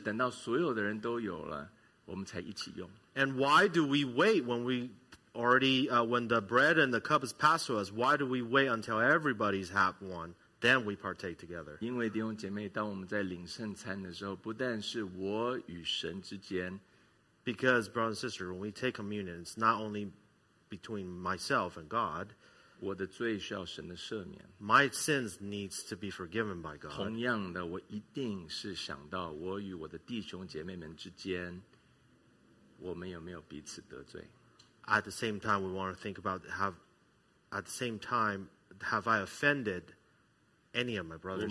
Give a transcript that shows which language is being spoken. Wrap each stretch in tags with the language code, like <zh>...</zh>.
<zh>为什么我们在领饼杯的时候，不是你拿到了你就先喝先吃掉了，而是等到所有的人都有了，我们才一起用？</zh> <en>And why do we wait when we already when the bread and the cup is passed to us? Why do we wait until everybody's had one, then we partake together?</en> <zh>因为弟兄姐妹，当我们在领圣餐的时候，不但是我与神之间，</zh> <en>because brothers and sisters, when we take communion, it's not only between myself and God.</en> <zh>我的罪需要神的赦免。</zh> <en>My sins needs to be forgiven by God.</en> <zh>同样的，我一定是想到我与我的弟兄姐妹们之间，我们有没有彼此得罪。</zh> <en>At the same time, we want to think about have I offended any of my brothers and sisters?</en>